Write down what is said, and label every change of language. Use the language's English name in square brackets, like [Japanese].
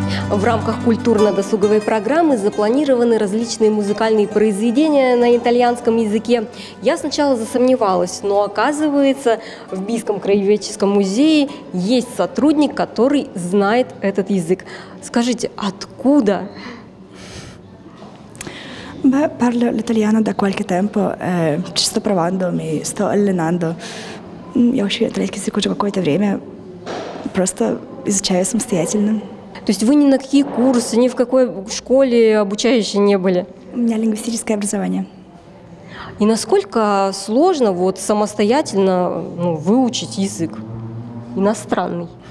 [Russian] В рамках культурно-досуговой программы запланированы различные музыкальные произведения на итальянском языке. Я сначала засомневалась, но оказывается, в Бийском краеведческом музее есть сотрудник, который знает этот язык. Скажите, откуда? [Italian] Parlo l'italiano da qualche tempo, ci sto provando, mi sto allenando. [Russian] Я учу итальянский язык уже какое-то время, просто изучаю самостоятельно. То есть вы ни на какие курсы, ни в какой школе обучающей не были? У меня лингвистическое образование. И насколько сложно самостоятельно выучить язык иностранный?